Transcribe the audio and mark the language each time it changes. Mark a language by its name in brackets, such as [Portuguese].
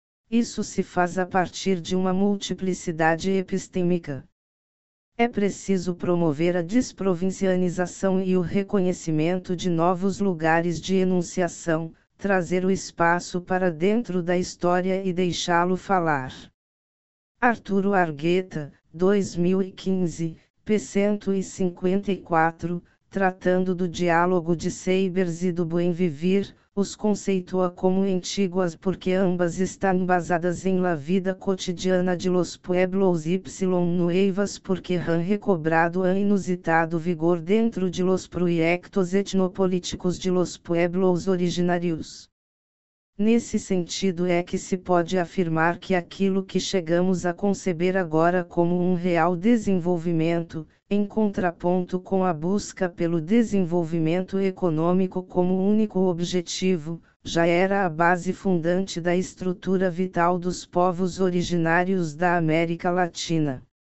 [Portuguese] Isso se faz a partir de uma multiplicidade epistêmica. É preciso promover a desprovincianização e o reconhecimento de novos lugares de enunciação, trazer o espaço para dentro da história e deixá-lo falar. Arturo Argueta, 2015, p. 154, tratando do diálogo de Seibers e do Buen Vivir, os conceitua como antíguas porque ambas estão [Spanish] basadas em la vida cotidiana de los pueblos y nuevas porque han recobrado an inusitado vigor dentro de los proyectos etnopolíticos de los pueblos originarios. [Portuguese] Nesse sentido é que se pode afirmar que aquilo que chegamos a conceber agora como um real desenvolvimento, em contraponto com a busca pelo desenvolvimento econômico como único objetivo, já era a base fundante da estrutura vital dos povos originários da América Latina.